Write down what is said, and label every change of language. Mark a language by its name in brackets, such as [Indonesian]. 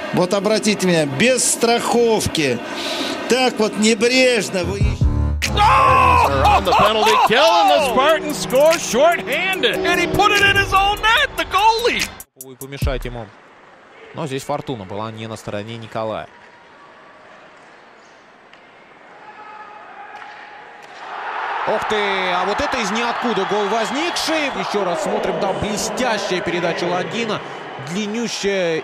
[Russian] Вот обратите меня, без страховки. Так вот небрежно. [English] On the penalty kill, and the Spartans score shorthanded. And he put it in his own net, the goalie. [Russian] И помешать ему. Но здесь фортуна была не на стороне Николая. Ух ты! А вот это из ниоткуда гол возникший. Еще раз смотрим, там блестящая передача Ладина. Длиннющая.